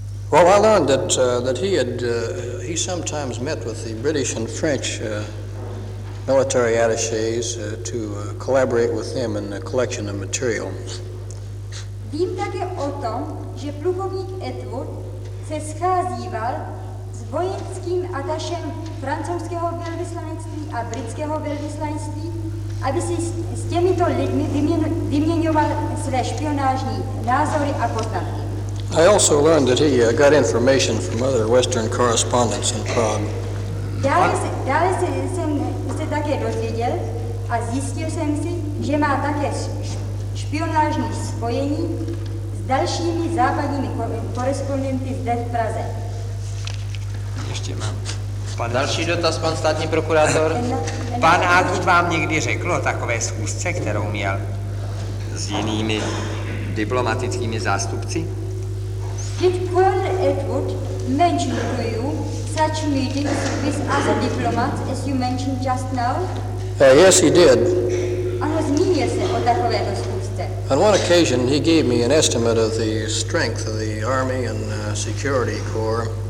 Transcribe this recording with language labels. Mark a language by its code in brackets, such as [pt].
[en] Well, I learned that he sometimes met with the British and French military attachés to collaborate with them in the collection of material. [cs] Vím také o tom, že plukovník Atwood se scházíval s vojenským atašem francouzského velvyslanectví a britského velvyslanectví, aby si s těmito lidmi vyměňoval své špionážní názory a poznatky. [en] I also learned that he got information from other Western correspondents in Prague. [cs] Dále jsem se také dozvěděl a zjistil jsem si, že má také špionážní spojení dalšími západními korespondenty zde v Praze. Ještě mám. Další dotaz, pan státní prokurátor. Pan Atwood vám někdy řekl o takové schůzce, kterou měl s jinými diplomatickými zástupci? [en] Did Colonel Atwood mention to you such meetings with other diplomats as you mentioned just now? Yes, he did. [cs] Ano, zmínil se o takové schůzce. [en] On one occasion, he gave me an estimate of the strength of the Army and Security Corps.